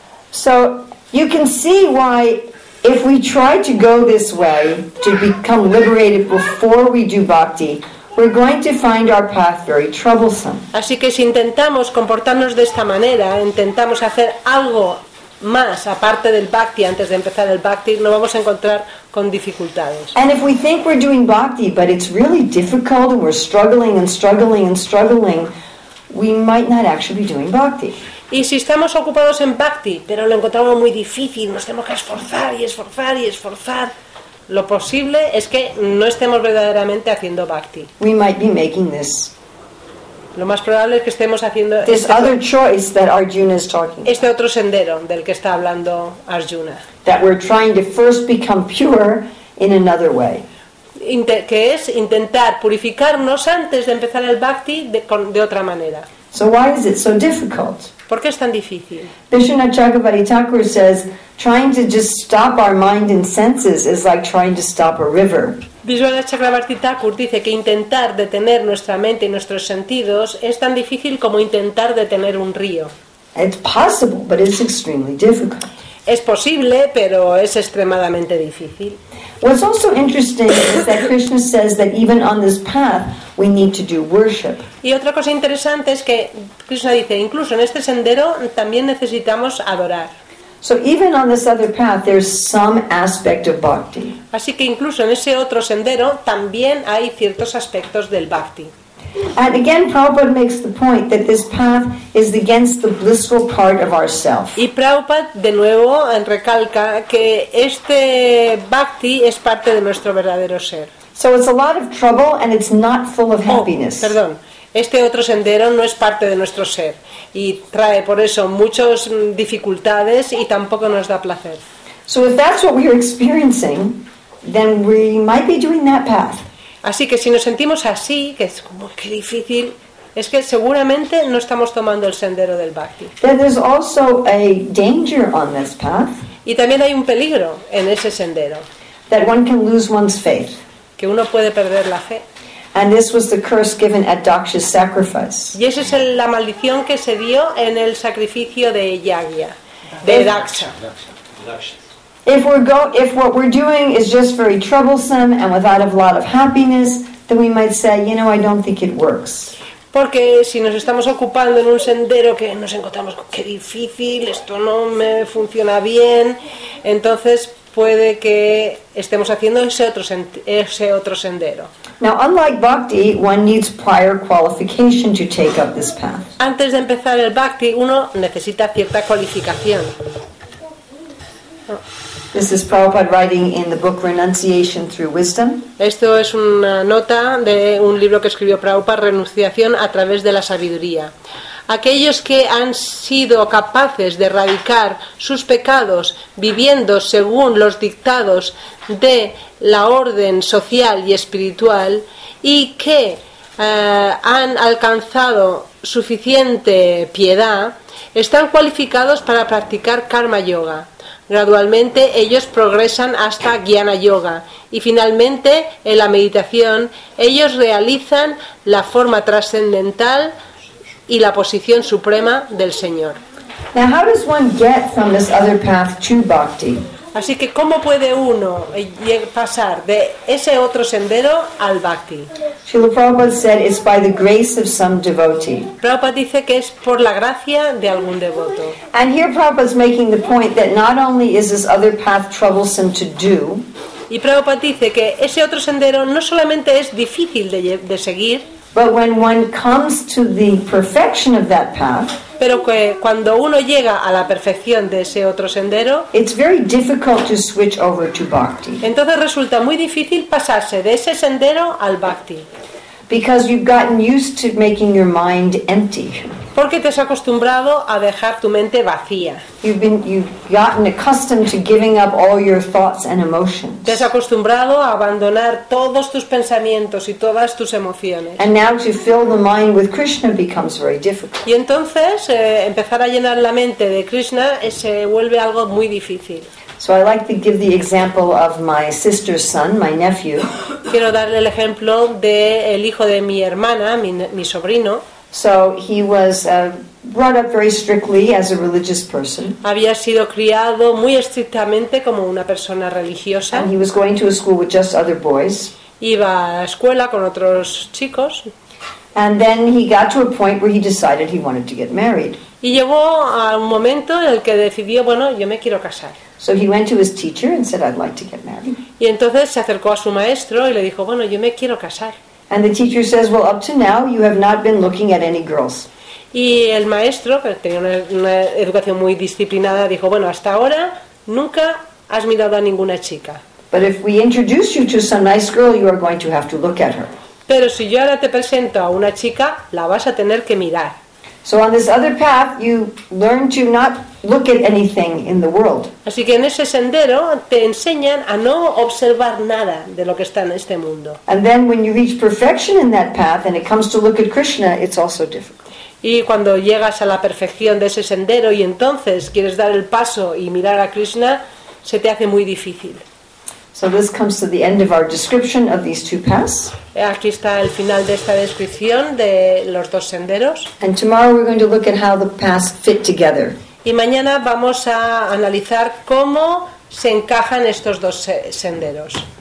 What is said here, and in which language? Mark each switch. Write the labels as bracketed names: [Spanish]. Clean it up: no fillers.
[English] So you can see why if we try to go this way to become liberated before we do bhakti, we're going to find our path very troublesome. [Spanish] Así que si intentamos comportarnos de esta manera, intentamos hacer algo más aparte del bhakti antes de empezar el bhakti, nos vamos a encontrar con dificultades. [English] And if we think we're doing bhakti but it's really difficult and we're struggling and struggling and struggling, we might not actually be doing bhakti. [Spanish] Y si estamos ocupados en bhakti, pero lo encontramos muy difícil, nos tenemos que esforzar y esforzar y esforzar, lo posible es que no estemos verdaderamente haciendo bhakti. [English] We might be making this. [Spanish] Lo más probable es que estemos haciendo [English] this other choice that Arjuna is talking about. [Spanish] Este otro sendero del que está hablando Arjuna. [English] That we're trying to first become pure in another way. [Spanish] Que es intentar purificarnos antes de empezar el bhakti de otra manera. [English] So why is it so difficult? [Spanish] ¿Por qué es tan difícil? [English] Vishnu Chakravarti Thakur says trying to just stop our mind and senses is like trying to stop a river. [Spanish] Vishnu Chakravarti Thakur dice que intentar detener nuestra mente y nuestros sentidos es tan difícil como intentar detener un río. [English] It's possible, but it's extremely difficult. [Spanish] Es posible, pero es extremadamente difícil. [English] What's also interesting is that Krishna says that even on this path we need to do worship. [Spanish] Y otra cosa interesante es que Krishna dice incluso en este sendero también necesitamos adorar. [English] So even on this other path there's some aspect of bhakti. [Spanish] Así que incluso en ese otro sendero también hay ciertos aspectos del bhakti. [English] And again, Prabhupada makes the point that this path is against the blissful part of ourself. [Spanish] Y Prabhupada de nuevo recalca que este bhakti es parte de nuestro verdadero ser. [English] So it's a lot of trouble and it's not full of happiness. [Spanish] Oh, perdón. Este otro sendero no es parte de nuestro ser y trae por eso muchas dificultades y tampoco nos da placer. [English] So if that's what we are experiencing, then we might be doing that path. [Spanish] Así que si nos sentimos así, que es como qué difícil, es que seguramente no estamos tomando el sendero del bhakti. [English] There's also a danger on this path. [Spanish] Y también hay un peligro en ese sendero. [English] That one can lose one's faith. [Spanish] Que uno puede perder la fe. [English] And this was the curse given at Daksha's sacrifice. [Spanish] Y esa es la maldición que se dio en el sacrificio de Yagya, de Daksha. [English] If what we're doing is just very troublesome and without a lot of happiness, then we might say, you know, I don't think it works. [Spanish] Porque si nos estamos ocupando en un sendero que nos encontramos con qué difícil, esto no me funciona bien, entonces puede que estemos haciendo ese otro sendero. [English] Now, unlike bhakti, one needs prior qualification to take up this path. [Spanish] Antes de empezar el bhakti, uno necesita cierta cualificación. [English] This is Prabhupada writing in the book Renunciation Through Wisdom. [Spanish] Esto es una nota de un libro que escribió Prabhupada, Renunciación a través de la sabiduría. Aquellos que han sido capaces de erradicar sus pecados viviendo según los dictados de la orden social y espiritual y que han alcanzado suficiente piedad, están cualificados para practicar Karma Yoga. Gradualmente ellos progresan hasta Jnana Yoga y finalmente en la meditación ellos realizan la forma trascendental y la posición suprema del Señor. [English] Now, how does one get from this other path to bhakti? [Spanish] Así que, ¿cómo puede uno pasar de ese otro sendero al bhakti? [English] Srila Prabhupada said it's by the grace of some devotee. [Spanish] Prabhupada dice que es por la gracia de algún devoto. [English] And here Prabhupada is making the point that not only is this other path troublesome to do. [Spanish] Y Prabhupada dice que ese otro sendero no solamente es difícil de seguir. [English] But when one comes to the perfection of that path, [Spanish] pero que cuando uno llega a la perfección de ese otro sendero, [English] it's very difficult to switch over to bhakti. [Spanish] Entonces resulta muy difícil pasarse de ese sendero al bhakti. [English] Because you've gotten used to making your mind empty. [Spanish] Porque te has acostumbrado a dejar tu mente vacía. [English] You've gotten accustomed to giving up all your thoughts and emotions. [Spanish] Te has acostumbrado a abandonar todos tus pensamientos y todas tus emociones. [English] And now to fill the mind with Krishna becomes very difficult. [Spanish] Y entonces empezar a llenar la mente de Krishna se vuelve algo muy difícil. [English] So I like to give the example of my sister's son, my nephew. [Spanish] Quiero darle el ejemplo del hijo de mi hermana, mi sobrino. [English] So he was brought up very strictly as a religious person. [Spanish] Había sido criado muy estrictamente como una persona religiosa. [English] And he was going to a school with just other boys. [Spanish] Iba a la escuela con otros chicos. [English] And then he got to a point where he decided he wanted to get married. [Spanish] Y llegó a un momento en el que decidió, bueno, yo me quiero casar. [English] So he went to his teacher and said, I'd like to get married. [Spanish] Y entonces se acercó a su maestro y le dijo, bueno, yo me quiero casar. [English] And the teacher says, well, up to now, you have not been looking at any girls. [Spanish] Y el maestro, que tenía una educación muy disciplinada, dijo, bueno, hasta ahora nunca has mirado a ninguna chica. [English] But if we introduce you to some nice girl, you are going to have to look at her. [Spanish] Pero si yo ahora te presento a una chica, la vas a tener que mirar. [English] So on this other path, you learn to not look at anything in the world. [Spanish] Así que en ese sendero te enseñan a no observar nada de lo que está en este mundo. [English] And then when you reach perfection in that path and it comes to look at Krishna, it's also difficult. [Spanish] Y cuando llegas a la perfección de ese sendero y entonces quieres dar el paso y mirar a Krishna, se te hace muy difícil. [English] So this comes to the end of our description of these two paths. [Spanish] Aquí está el final de esta descripción de los dos senderos. [English] And tomorrow we're going to look at how the paths fit together. [Spanish] Y mañana vamos a analizar cómo se encajan estos dos senderos.